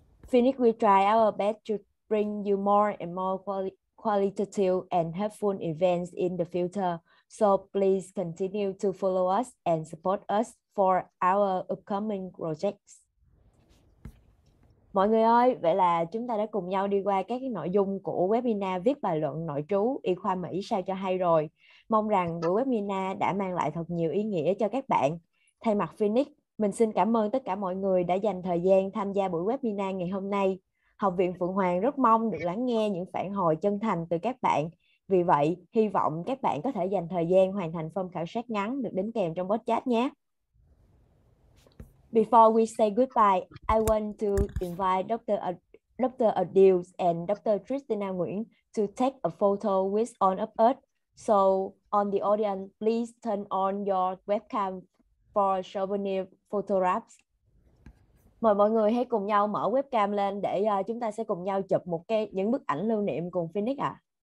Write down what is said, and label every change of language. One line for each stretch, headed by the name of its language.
English: Phoenix will try our best to bring you more and more qualitative and helpful events in the future, so please continue to follow us and support us for our upcoming projects.
Vietnamese: Mọi người ơi, vậy là chúng ta đã cùng nhau đi qua các cái nội dung của webinar viết bài luận nội trú y khoa Mỹ sao cho hay rồi. Mong rằng buổi webinar đã mang lại thật nhiều ý nghĩa cho các bạn. Thay mặt Phoenix, mình xin cảm ơn tất cả mọi người đã dành thời gian tham gia buổi webinar ngày hôm nay. Học viện Phượng Hoàng rất mong được lắng nghe những phản hồi chân thành từ các bạn. Vì vậy, hy vọng các bạn có thể dành thời gian hoàn thành form khảo sát ngắn được đính kèm trong podcast nhé.
English: Before we say goodbye, I want to invite Dr. Adils and Dr. Christina Nguyen to take a photo with all of us. So on the audience, please turn on your webcam for souvenir photographs.
Vietnamese: Mời mọi người hãy cùng nhau mở webcam lên để chúng ta sẽ cùng nhau chụp một cái những bức ảnh lưu niệm cùng Phoenix ạ.